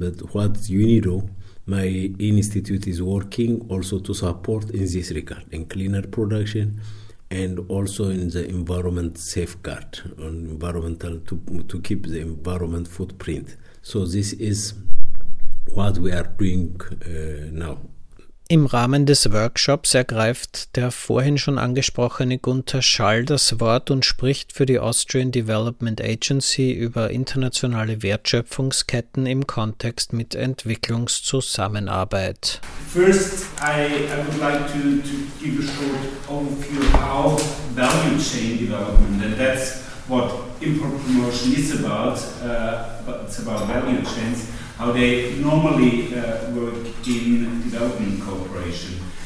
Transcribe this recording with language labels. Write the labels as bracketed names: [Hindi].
[English] But what UNIDO, my institute, is working also to support in this regard, in cleaner production and also in the environment safeguard, on environmental, to keep the environment footprint. So this is what we are doing now. [German] Im Rahmen des Workshops ergreift der vorhin schon angesprochene Gunther Schall das Wort und spricht für die Austrian Development Agency über internationale Wertschöpfungsketten im Kontext mit Entwicklungszusammenarbeit. [English] First, I would like to give a short overview of how value chain development, and that's what import promotion is about, it's about value chains, how they normally work in development cooperation.